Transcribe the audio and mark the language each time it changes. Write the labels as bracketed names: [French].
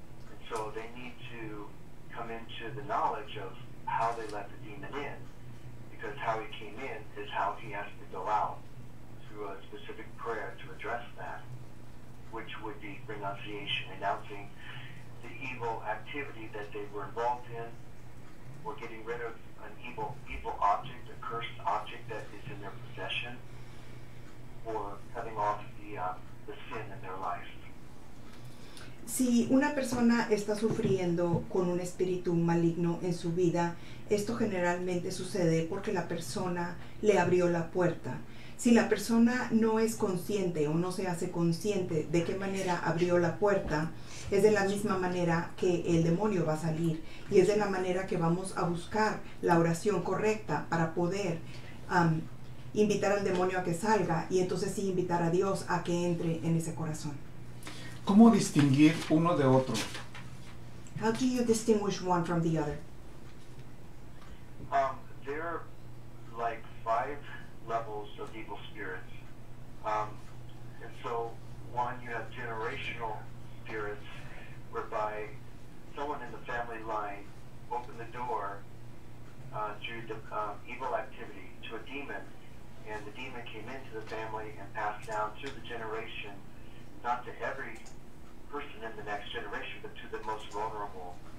[English] And so they need to come into the knowledge of how they let the demon in, because how he came in is how he has to go out, through a specific prayer to address that, which would be renunciation, renouncing the evil activity that they were involved in, or getting rid of an evil object, a cursed object that is in their possession, or cutting off the sin in their life. [Spanish] Si una persona está sufriendo con un espíritu maligno en su vida, esto generalmente sucede porque la persona le abrió la puerta. Si la persona no es consciente o no se hace consciente de qué manera abrió la puerta, es de la misma manera que el demonio va a salir, y es de la manera que vamos a buscar la oración correcta para poder invitar al demonio a que salga, y entonces sí invitar a Dios a que entre en ese corazón. ¿Cómo distinguir uno de otro? [English] How do you distinguish one from the other? There are like five levels of evil spirits. And so, one, you have generational spirits, whereby someone in the family line opened the door through the evil activity to a demon, and the demon came into the family and passed down through the generation, not to every person in the next generation, but to the most vulnerable.